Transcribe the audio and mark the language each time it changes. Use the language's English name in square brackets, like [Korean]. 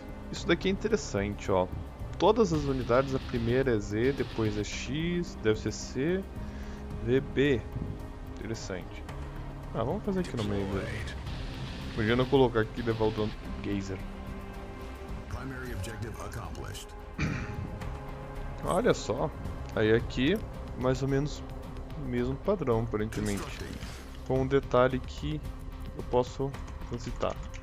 [Portuguese] Isso daqui é interessante, ó. Todas as unidades, a primeira é Z, depois é X, deve ser C. DB. Interessante. Ah, vamos fazer aqui no meio mesmo. Podia não colocar aqui level do Gazer. [English] Primary objective accomplished. [Portuguese] Olha só. Aí aqui, mais ou menos o mesmo padrão, aparentemente. Com um detalhe que eu posso transitar.